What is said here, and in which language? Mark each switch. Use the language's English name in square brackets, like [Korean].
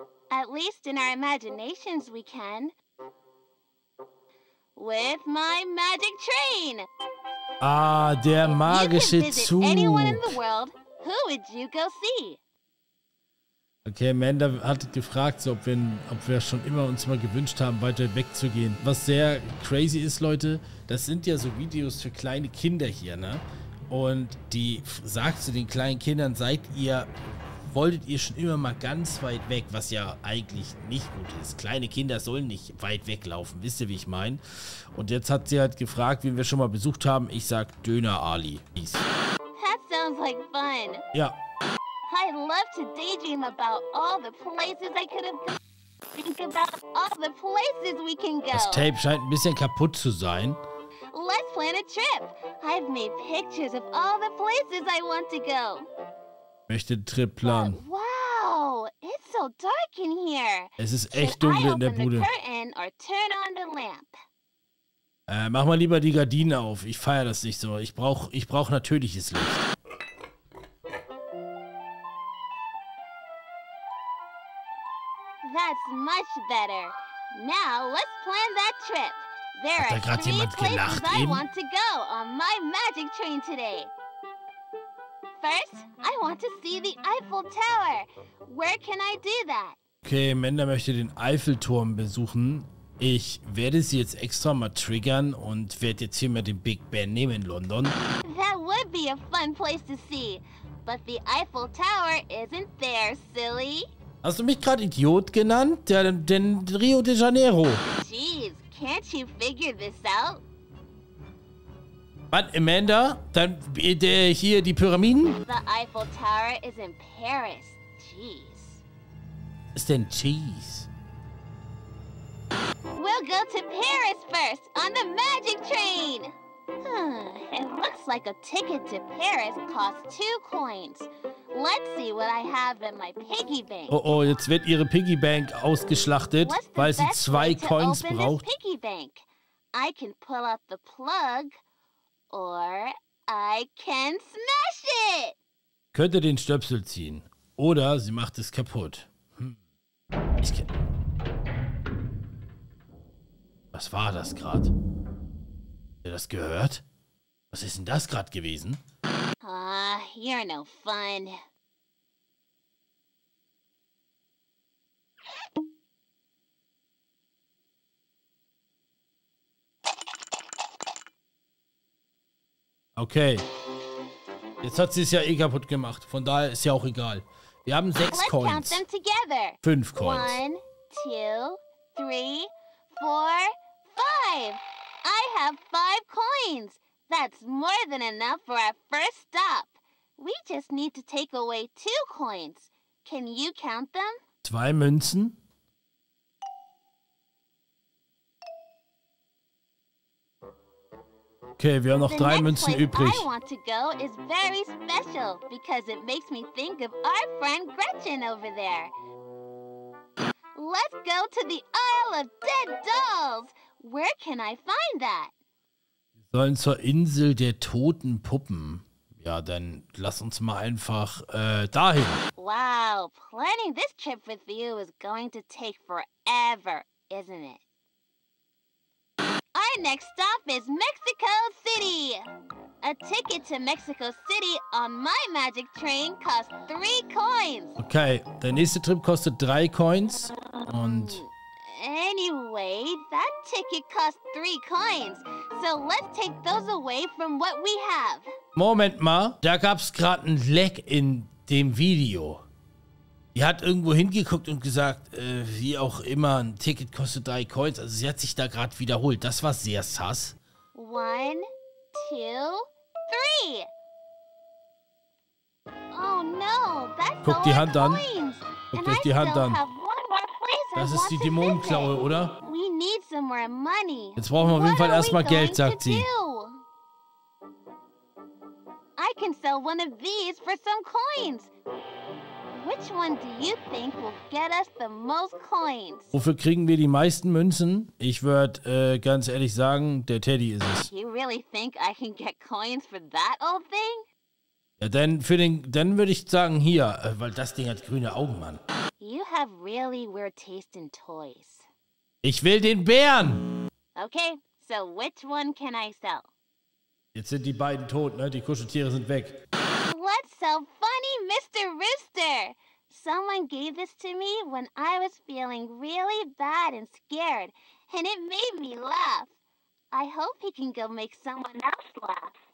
[English] At least in our imaginations, we can. With my magic train. [German] Ah, der magische Zug. [English] If you could visit anyone in the world, who would you go see? [German] Okay, Amanda hat gefragt, ob wir schon immer uns mal gewünscht haben, weiter wegzugehen. Was sehr crazy ist, Leute, das sind ja so Videos für kleine Kinder hier, ne? Und die sagt zu den kleinen Kindern, wolltet ihr schon immer mal ganz weit weg, was ja eigentlich nicht gut ist. Kleine Kinder sollen nicht weit weglaufen, wisst ihr, wie ich meine? Und jetzt hat sie halt gefragt, wen wir schon mal besucht haben. Ich sag Döner Ali. [English] That sounds like fun. [German] Ja. [English] I'd love to daydream about all the places I could have gone. Think about all the places we can go. [German] Das Tape scheint ein bisschen kaputt zu sein. [English] Let's plan a trip. I've made pictures of all the places I want to go. [German] Möchte Trip planen. [English] Wow, it's so dark in here. [German] Es ist echt dunkel in der Bude. [English] Should I open the curtain or turn on the lamp? [German] Mach mal lieber die Gardine auf. Ich feiere das nicht so. Ich brauch natürliches Licht. [English] That's much better. Now let's plan that trip. There are three places I want to go on my magic train today. First, I want to see the Eiffel Tower. Where can I do that? [German] Okay, Amanda möchte den Eiffelturm besuchen. Ich werde sie jetzt extra mal triggern und werde jetzt hier mal den Big Ben nehmen in London. [English] That would be a fun place to see, but the Eiffel Tower isn't there, silly. [German] Hast du mich gerade Idiot genannt? Den Rio de Janeiro. [English] Jeez, can't you figure this out? [German] Was, Amanda? Dann hier die Pyramiden? [English] The Eiffel Tower is in Paris. Jeez. [German] Ist denn Cheese? [English] We'll go to Paris first on the magic train. It looks like a ticket to Paris costs 2 coins. Let's see what I have in my piggy bank. [German] Oh, jetzt wird ihre Piggy Bank ausgeschlachtet, weil sie 2 Coins braucht. [English] Piggy bank? I can pull out the plug or I can smash it. [German] Könnte den Stöpsel ziehen oder sie macht es kaputt. Hm. Was war das gerade? Habt ihr das gehört? Was ist denn das gerade gewesen? [English] You're no fun. Okay. [German] Jetzt hat sie es ja eh kaputt gemacht. Von daher ist ja auch egal. Wir haben 6 Coins. [English] Let's count them together. 5 Coins. 1, 2, 3, 4, 5. I have 5 coins. That's more than enough for our first stop. We just need to take away 2 coins. Can you count them? [German] 2 Münzen? Okay, wir haben noch 3 Münzen übrig. [English] I want to go is very special because it makes me think of our friend Gretchen over there. Let's go to the Isle of Dead Dolls. Where can I find that? [German] Wir sollen zur Insel der toten Puppen. Ja, dann lass uns mal einfach dahin. [English] Wow, planning this trip with you is going to take forever, isn't it? Our next stop is Mexico City. A ticket to Mexico City on my magic train costs 3 coins. [German] Okay, der nächste Trip kostet 3 Coins und... [English] Anyway, that ticket costs 3 Coins. So let's take those away from what we have. [German] Moment mal, da gab's gerade ein Leck in dem Video. Die hat irgendwo hingeguckt und gesagt, wie auch immer, ein Ticket kostet 3 Coins. Also sie hat sich da gerade wiederholt. Das war sehr sass. [English] 1, 2, 3. Oh no, that's [German] guck die Hand an. Guck [English] and [German] die Hand an. [English] Place, [German] das ist die Dämonenklaue, oder? [English] We need some more money. [German] Jetzt brauchen wir auf jeden Fall erstmal Geld, sagt sie. [English] I can sell one of these for some coins. Which one do you think will get us the most coins? [German] Wofür kriegen wir die meisten Münzen? Ich würde ganz ehrlich sagen, der Teddy ist es. [English] You really think I can get coins for that old thing? [German] Ja, denn für den, dann würde ich sagen hier, weil das Ding hat grüne Augen, Mann. [English] You have really weird taste in toys. [German] Ich will den Bären. [English] Okay, so which one can I sell? [German] Jetzt sind die beiden tot, ne? Die Kuscheltiere sind weg. [English] What's so funny, Mr. Rooster? Someone gave this to me when I was feeling really bad and scared, and it made me laugh. I hope he can go make someone else laugh.